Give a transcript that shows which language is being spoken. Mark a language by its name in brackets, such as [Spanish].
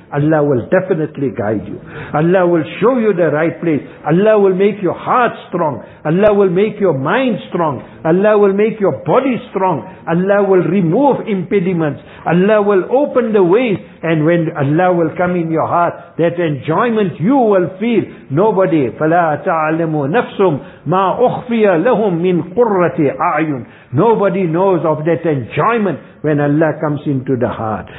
[English] Allah will definitely guide you. Allah will show you the right place. Allah will make your heart strong. Allah will make your mind strong. Allah will make your body strong. Allah will remove impediments. Allah will open the ways. And when Allah will come in your heart, that enjoyment you will feel. [Arabic] Nobody, فَلَا تَعْلَمُ نَفْسُمْ مَا أُخْفِيَ لَهُمْ مِنْ قُرَّةِ أَعْيُنْ. [English] Nobody knows of that enjoyment when Allah comes into the heart.